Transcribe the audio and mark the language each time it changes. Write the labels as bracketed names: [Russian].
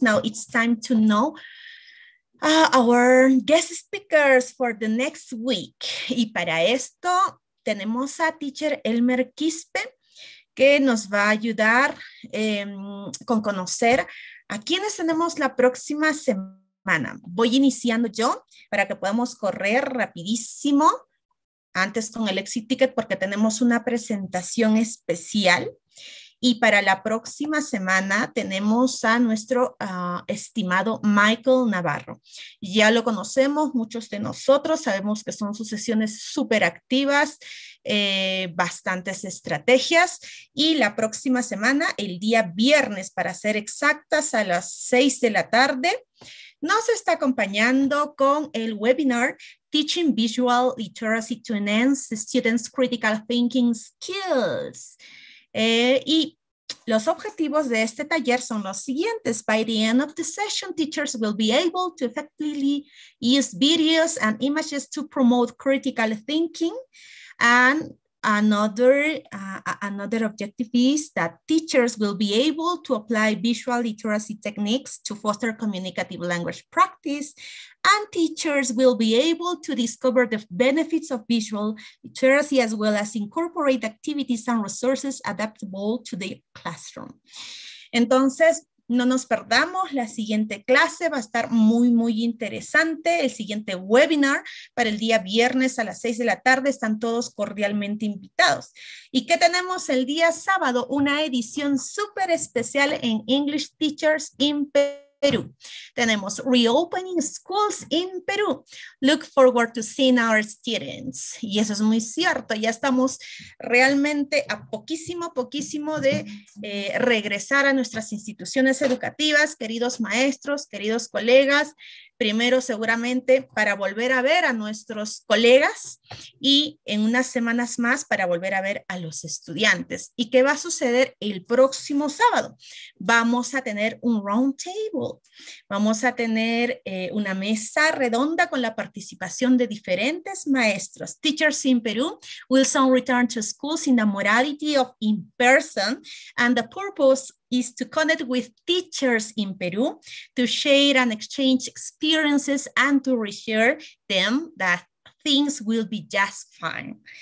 [English] Now it's time to know our guest speakers for the next week. [Spanish] Y para esto, tenemos a teacher Elmer Quispe, que nos va a ayudar con conocer a quiénes tenemos la próxima semana. Voy iniciando yo para que podamos correr rapidísimo antes con el exit ticket porque tenemos una presentación especial. Y para la próxima semana tenemos a nuestro estimado Michael Navarro. Ya lo conocemos, muchos de nosotros sabemos que son sus sesiones súper activas, bastantes estrategias. Y la próxima semana, el día viernes, para ser exactas, a las 6 de la tarde, nos está acompañando con el webinar Teaching Visual Literacy to Enhance Students' Critical Thinking Skills. Y los objetivos de este taller son los siguientes. [English] By the end of the session, teachers will be able to effectively use videos and images to promote critical thinking. And another objective is that teachers will be able to apply visual literacy techniques to foster communicative language practice. And teachers will be able to discover the benefits of visual literacy as well as incorporate activities and resources adaptable to the classroom. [Spanish] Entonces, no nos perdamos, la siguiente clase va a estar muy, muy interesante. El siguiente webinar para el día viernes a las 6 de la tarde, están todos cordialmente invitados. ¿Y qué tenemos el día sábado? Una edición súper especial en English Teachers in Peru. Tenemos [English] Reopening Schools in Peru. Look forward to seeing our students. [Spanish] Y eso es muy cierto. Ya estamos realmente a poquísimo de regresar a nuestras instituciones educativas, queridos maestros, queridos colegas. Primero, seguramente, para volver a ver a nuestros colegas y en unas semanas más para volver a ver a los estudiantes. ¿Y qué va a suceder el próximo sábado? Vamos a tener un round table. Vamos a tener una mesa redonda con la participación de diferentes maestros. [English] Teachers in Peru will soon return to schools in the modality of in person, and the purpose is to connect with teachers in Peru, to share and exchange experiences, and to reassure them that things will be just fine.